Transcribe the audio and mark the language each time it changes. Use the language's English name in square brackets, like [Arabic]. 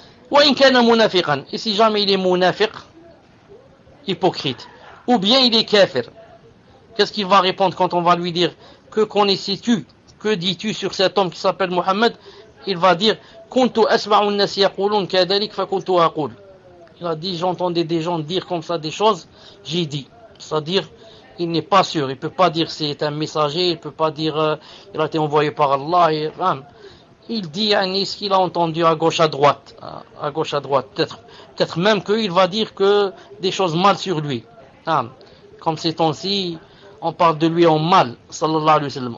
[Arabic] وَإِنْ كَانَ مُنَافِقًا, [French] et si jamais il est munafiq, hypocrite, ou bien il est kafir. Qu'est-ce qu'il va répondre quand on va lui dire, que connaissais-tu, que dis-tu sur cet homme qui s'appelle Mohammed? Il va dire, [Arabic] كنت أسمع الناس يقولون كذلك فكنت أقول. [French] Il a dit, j'entendais des gens dire comme ça des choses, j'ai dit. C'est-à-dire, il n'est pas sûr, il ne peut pas dire c'est un messager, il ne peut pas dire il a été envoyé par Allah. Il dit ce qu'il a entendu à gauche, à droite, peut-être. Peut-être même qu'il va dire que des choses mal sur lui. Ah, comme ces temps-ci, on parle de lui en mal, sallallahu alayhi wa sallam.